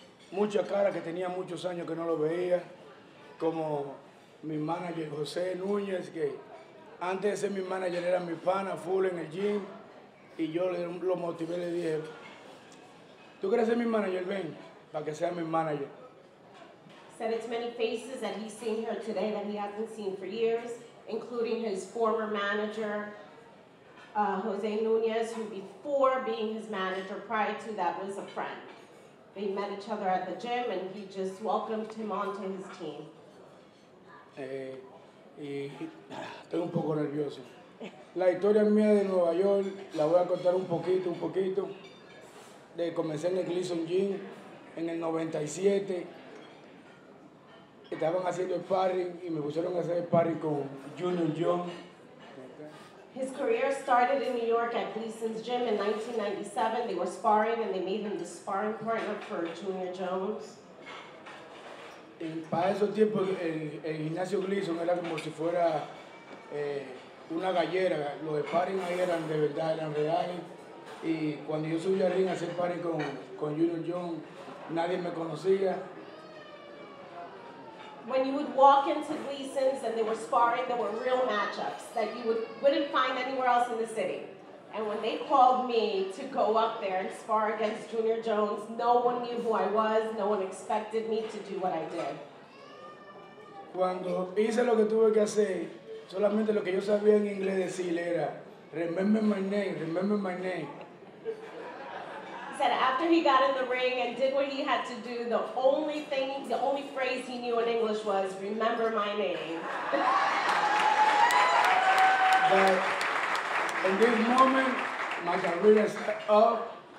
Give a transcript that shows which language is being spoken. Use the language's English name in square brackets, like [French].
[Spanish] Mucha cara que tenía muchos años que no lo veía. Como mi manager, José Núñez, que... Antes de ser mi manager era mi pana, full en el gym, y yo lo motivé, le dije, ¿tú quieres ser mi manager? Ven, para que sea mi manager. [English] Said it's many faces that he's seen here today that he hasn't seen for years, including his former manager, Jose Nunez, who before being his manager, prior to that, was a friend. They met each other at the gym, and he just welcomed him onto his team. [Spanish] Y estoy un poco nervioso. La historia mía de Nueva York la voy a contar un poquito. Comencé en el Gleason Gym en el 97. estaban haciendo sparring y me pusieron a hacer sparring con Junior John. [English] His career started in New York at Gleason's Gym in 1997. They were sparring and they made him the sparring partner for Junior Jones. [Spanish] Para esos tiempos, el gimnasio Gleason era como si fuera una gallera. Los sparring ahí eran de verdad, eran reales. Y cuando yo subí al ring a hacer sparring con Junior John, nadie me conocía. [English] When you would walk into Gleason's and they were sparring, there were real matchups that you wouldn't find anywhere else in the city. And when they called me to go up there and spar against Junior Jones, no one knew who I was, no one expected me to do what I did. [Spanish] Cuando hice lo que tuve que hacer, solamente lo que yo sabía en inglés decir era, [English] remember my name, remember my name. That after he got in the ring and did what he had to do, the only thing, the only phrase he knew in English was, remember my name. But in this moment, my career is up.